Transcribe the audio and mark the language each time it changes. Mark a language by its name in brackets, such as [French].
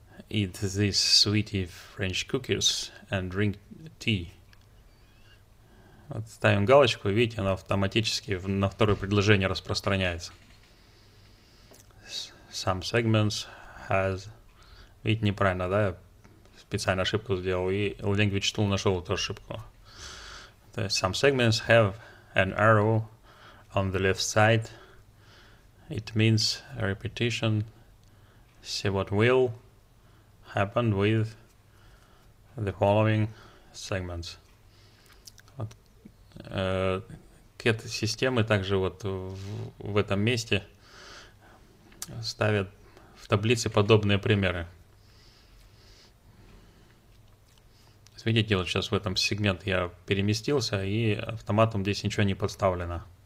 [English] Eat these sweetie French cookies and drink tea. [Russian] Вот ставим галочку, видите, она автоматически на второе предложение распространяется. [English] Some segments has... [Russian] Видите, неправильно, да? Я специально ошибку сделал, и language tool нашел эту ошибку. То есть [English] some segments have an arrow on the left side. It means a repetition. See what will happen with the following segments. [Russian] Кэт системы также вот в этом месте ставят в таблице подобные примеры. Видите, вот сейчас в этом сегмент я переместился, и автоматом здесь ничего не подставлено.